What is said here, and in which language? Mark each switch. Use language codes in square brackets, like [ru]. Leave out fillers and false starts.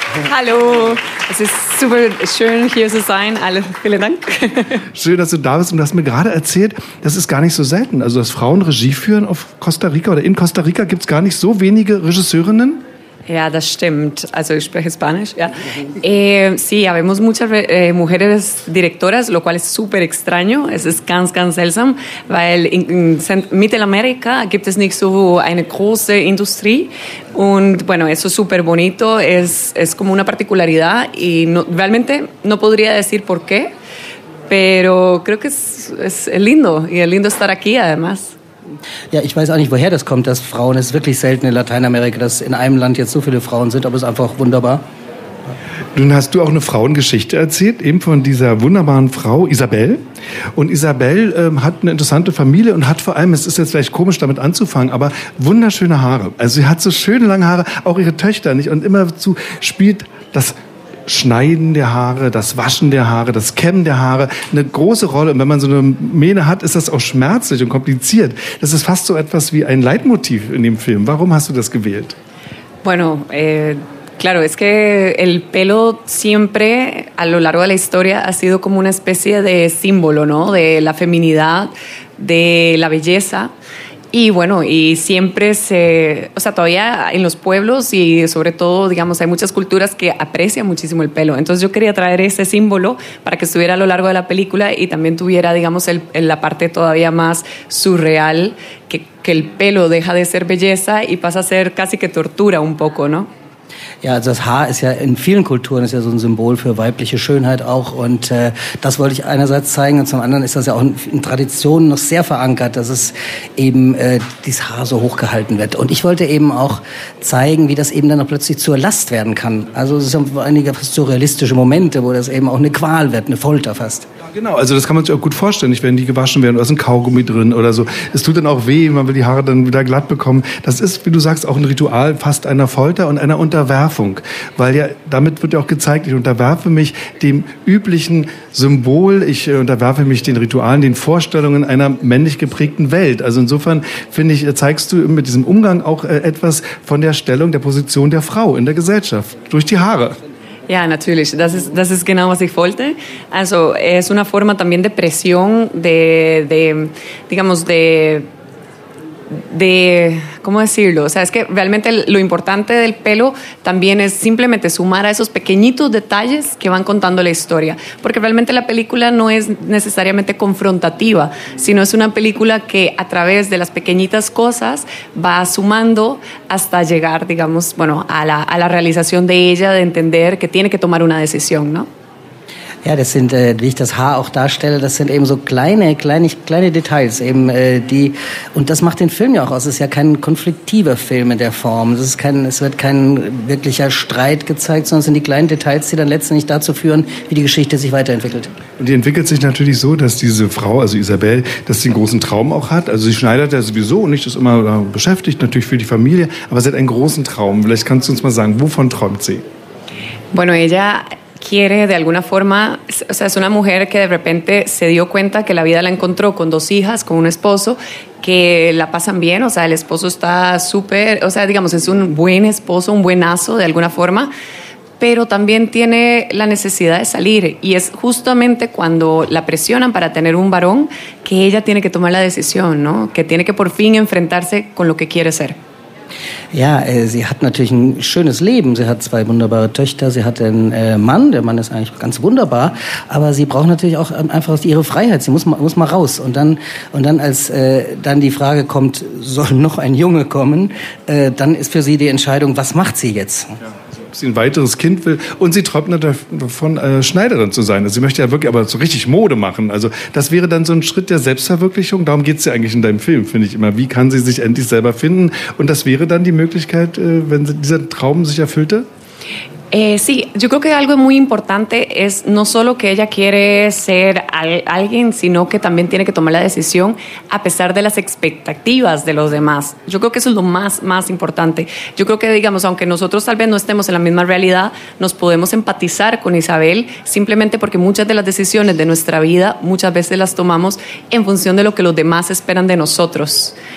[de] Hallo, es ist super schön, hier zu sein. Alle, vielen Dank. Schön, dass du da bist. Und du hast mir gerade erzählt, das ist gar nicht so selten. Also, dass Frauen Regie führen auf Costa Rica oder in Costa Rica, gibt es gar nicht so wenige Regisseurinnen? Ja, das stimmt. Also, ich spreche Spanisch. Ja. [es] Sí, habemos muchas mujeres directoras, lo cual es super extraño. [de] Es ist ganz, ganz seltsam, weil in Mittelamerika gibt es nicht so eine große Industrie. Und [es] bueno, eso es super bonito. Es como una particularidad. Y no, realmente no podría decir por qué, pero creo que es lindo. Y es lindo estar aquí, además. [de] Ja, ich weiß auch nicht, woher das kommt, dass Frauen, es ist wirklich selten in Lateinamerika, dass in einem Land jetzt so viele Frauen sind, aber es ist einfach wunderbar. Nun hast du auch eine Frauengeschichte erzählt, eben von dieser wunderbaren Frau Isabel. Und Isabel hat eine interessante Familie und hat vor allem, es ist jetzt vielleicht komisch damit anzufangen, aber wunderschöne Haare. Also sie hat so schöne lange Haare, auch ihre Töchter nicht, und immer zu spielt das Schneiden der Haare, das Waschen der Haare, das Kämmen der Haare, eine große Rolle. Und wenn man so eine Mähne hat, ist das auch schmerzlich und kompliziert. Das ist fast so etwas wie ein Leitmotiv in dem Film. Warum hast du das gewählt? [es] Bueno, claro, es que el pelo siempre a lo largo de la historia ha sido como una especie de símbolo, ¿no? De la feminidad, de la belleza. Y bueno, y siempre se, o sea, todavía en los pueblos y sobre todo, digamos, hay muchas culturas que aprecian muchísimo el pelo. Entonces yo quería traer ese símbolo para que estuviera a lo largo de la película y también tuviera, digamos, la parte todavía más surreal, que el pelo deja de ser belleza y pasa a ser casi que tortura un poco, ¿no? [de] Ja, also das Haar ist ja in vielen Kulturen ist ja so ein Symbol für weibliche Schönheit auch. Und das wollte ich einerseits zeigen. Und zum anderen ist das ja auch in Traditionen noch sehr verankert, dass es eben dieses Haar so hochgehalten wird. Und ich wollte eben auch zeigen, wie das eben dann auch plötzlich zur Last werden kann. Also es sind einige fast surrealistische Momente, wo das eben auch eine Qual wird, eine Folter fast. Ja, genau, also das kann man sich auch gut vorstellen. Nicht, wenn die gewaschen werden, da ist ein Kaugummi drin oder so. Es tut dann auch weh, man will die Haare dann wieder glatt bekommen. Das ist, wie du sagst, auch ein Ritual fast einer Folter und einer Unterwerfung. Weil ja, damit wird ja auch gezeigt, ich unterwerfe mich dem üblichen Symbol, ich unterwerfe mich den Ritualen, den Vorstellungen einer männlich geprägten Welt. Also insofern, finde ich, zeigst du mit diesem Umgang auch etwas von der Stellung, der Position der Frau in der Gesellschaft, durch die Haare. Ja, natürlich. Das ist genau, was ich wollte. Also es ist eine Form [es] también de presión, de ¿cómo decirlo? O sea, es que realmente lo importante del pelo también es simplemente sumar a esos pequeñitos detalles que van contando la historia. Porque realmente la película no es necesariamente confrontativa, sino es una película que a través de las pequeñitas cosas va sumando hasta llegar, digamos, bueno, a la realización de ella, de entender que tiene que tomar una decisión, ¿no? [de] Ja, das sind, wie ich das Haar auch darstelle, das sind eben so kleine Details eben, die, und das macht den Film ja auch aus. Es ist ja kein konfliktiver Film in der Form. Es wird kein wirklicher Streit gezeigt, sondern es sind die kleinen Details, die dann letztendlich dazu führen, wie die Geschichte sich weiterentwickelt. Und die entwickelt sich natürlich so, dass diese Frau, also Isabel, dass sie einen großen Traum auch hat. Also sie schneidet ja sowieso und nicht, ist immer beschäftigt, natürlich für die Familie, aber sie hat einen großen Traum. Vielleicht kannst du uns mal sagen, wovon träumt sie? [es] Bueno, ella quiere de alguna forma, o sea, es una mujer que de repente se dio cuenta que la vida la encontró con dos hijas, con un esposo, que la pasan bien, o sea, el esposo está súper, o sea, digamos, es un buen esposo, un buenazo de alguna forma, pero también tiene la necesidad de salir y es justamente cuando la presionan para tener un varón que ella tiene que tomar la decisión, ¿no? Que tiene que por fin enfrentarse con lo que quiere ser. [de] Ja, sie hat natürlich ein schönes Leben. Sie hat zwei wunderbare Töchter, sie hat einen Mann. Der Mann ist eigentlich ganz wunderbar. Aber sie braucht natürlich auch einfach ihre Freiheit. Sie muss mal raus. Und dann als dann die Frage kommt, soll noch ein Junge kommen, dann ist für sie die Entscheidung, was macht sie jetzt? Ja, ob sie ein weiteres Kind will. Und sie träumt davon, Schneiderin zu sein. Also sie möchte ja wirklich aber so richtig Mode machen. Also das wäre dann so ein Schritt der Selbstverwirklichung. Darum geht es ja eigentlich in deinem Film, finde ich immer. Wie kann sie sich endlich selber finden? Und das wäre dann die Möglichkeit, wenn dieser Traum sich erfüllte? [es] Sí, yo creo que algo muy importante es no solo que ella quiere ser alguien, sino que también tiene que tomar la decisión a pesar de las expectativas de los demás. Yo creo que eso es lo más importante. Yo creo que, digamos, aunque nosotros tal vez no estemos en la misma realidad, nos podemos empatizar con Isabel simplemente porque muchas de las decisiones de nuestra vida muchas veces las tomamos en función de lo que los demás esperan de nosotros.